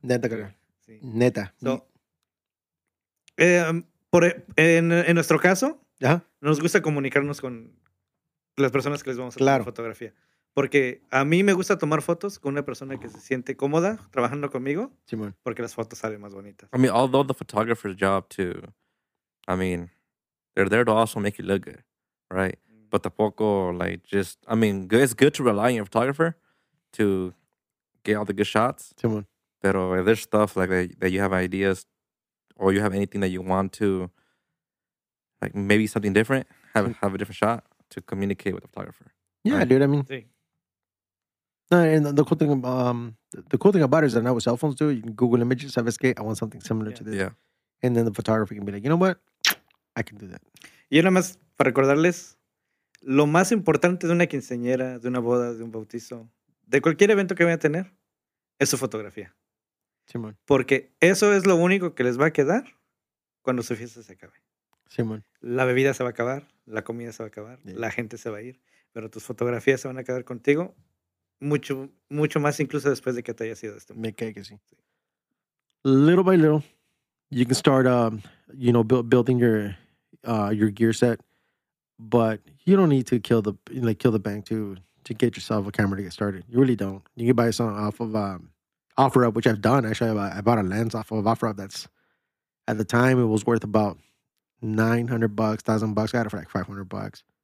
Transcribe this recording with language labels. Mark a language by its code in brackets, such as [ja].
[es] Neta, creo. Sí. Neta. So, en nuestro caso, ¿ya? Nos gusta comunicarnos con las personas que les vamos a tomar fotografía. Porque a mí me gusta tomar fotos con una persona que se siente cómoda trabajando conmigo. Simón. Porque las fotos salen más bonitas. [en] I mean, although the photographer's job too, I mean, they're there to also make you look good, right? Mm-hmm. But tampoco, like, just, I mean, it's good to rely on your photographer to get all the good shots. [es] Simón. [en] Pero if there's stuff like that you have ideas, or you have anything that you want to, like maybe something different, have a different shot to communicate with the photographer. Yeah, right? Dude. I mean, [es] sí. [en] No, and the cool thing about it is that now with cell phones, too, you can Google images. [es] Sabes que [en] I want something similar to this. Yeah. And then the photographer can be like, you know what, I can do that. [es] Y nada más para recordarles, lo más importante de una quinceañera, de una boda, de un bautizo, de cualquier evento que vaya a tener, es su fotografía. Simón. Porque eso es lo único que les va a quedar cuando su fiesta se acabe. Simón. La bebida se va a acabar, la comida se va a acabar, yeah. La gente se va a ir, pero tus fotografías se van a quedar contigo mucho, mucho más incluso después de que te hayas ido de este mundo. Me cae que sí. [en] Little by little, you can start, you know, building your gear set, but you don't need to kill the bank to get yourself a camera to get started. You really don't. You can buy something off of OfferUp, which I've done. Actually, I bought a lens off of OfferUp that's, at the time, it was worth about $900, $1,000. I got it for like $500.